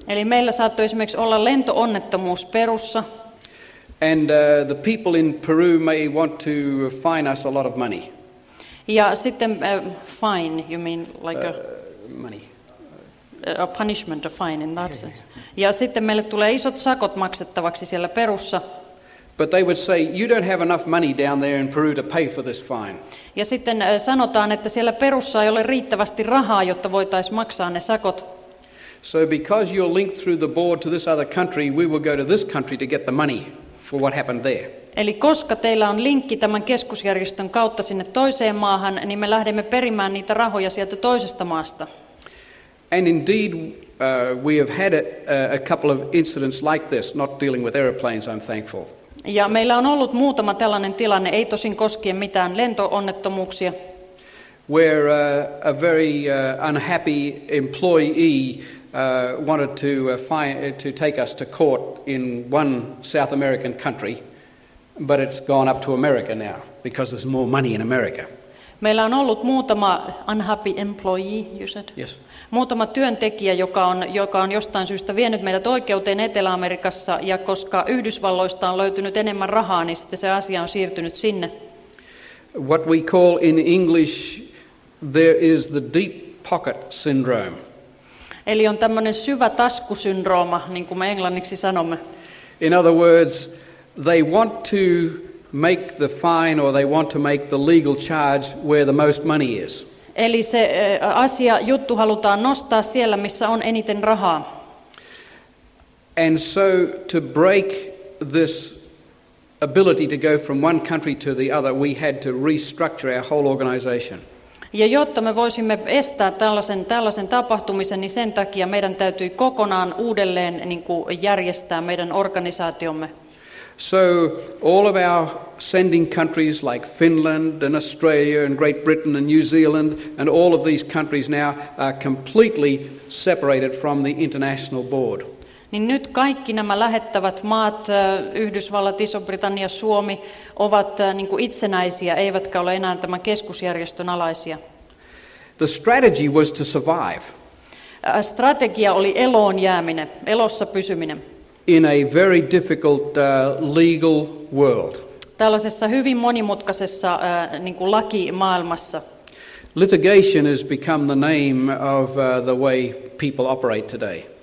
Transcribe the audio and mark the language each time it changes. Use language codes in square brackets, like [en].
[fi] Eli meillä saattoi esimerkiksi olla lento-onnettomuus Perussa. [en] And the people in Peru may want to fine us a lot of money. [fi] Ja sitten [en] fine, you mean like money. A punishment, a fine in that sense. [fi] Ja sitten meille tulee isot sakot maksettavaksi siellä Perussa. [en] But they would say, you don't have enough money down there in Peru to pay for this fine. [fi] Ja sitten sanotaan, että siellä Perussa ei ole riittävästi rahaa, jotta voitaisiin maksaa ne sakot. [en] So because you're linked through the board to this other country, we will go to this country to get the money for what happened there. [fi] Eli koska teillä on linkki tämän keskusjärjestön kautta sinne toiseen maahan, niin me lähdemme perimään niitä rahoja sieltä toisesta maasta. [en] And indeed, we have had a couple of incidents like this, not dealing with airplanes, I'm thankful. [fi] Ja meillä on ollut muutama tällainen tilanne, ei tosin koskien mitään lento-onnettomuuksia. [en] Where a very unhappy employee wanted to to take us to court in one South American country, but it's gone up to America now because there's more money in America. [fi] Meillä on ollut muutama [en] unhappy employee, you said? Yes. [fi] Muutama työntekijä, joka on jostain syystä vienyt meidät oikeuteen Etelä-Amerikassa, ja koska Yhdysvalloista on löytynyt enemmän rahaa, niin sitten se asia on siirtynyt sinne. [en] What we call in English, there is the deep pocket syndrome. [fi] Eli on tämmöinen syvä taskusyndrooma, niin kuin me englanniksi sanomme. [en] In other words, they want to make the fine or they want to make the legal charge where the most money is. [fi] Eli se asia, juttu halutaan nostaa siellä, missä on eniten rahaa. [en] And so to break this ability to go from one country to the other, we had to restructure our whole organization. [fi] Ja jotta me voisimme estää tällaisen tapahtumisen, niin sen takia meidän täytyy kokonaan uudelleen niin kuin järjestää meidän organisaatiomme. [en] So all of our sending countries like Finland and Australia and Great Britain and New Zealand and all of these countries now are completely separated from the international board. [fi] Niin nyt kaikki nämä lähettävät maat, Yhdysvallat, Iso-Britannia, Suomi, ovat niin kuin itsenäisiä, eivätkä ole enää tämän keskusjärjestön alaisia. [en] The strategy was to survive. [fi] Strategia oli eloon jääminen, elossa pysyminen. [en] In a very difficult legal world. [fi] Tällaisessa hyvin monimutkaisessa niin kuin lakimaailmassa. [en] Litigation has become the name of the way people operate today.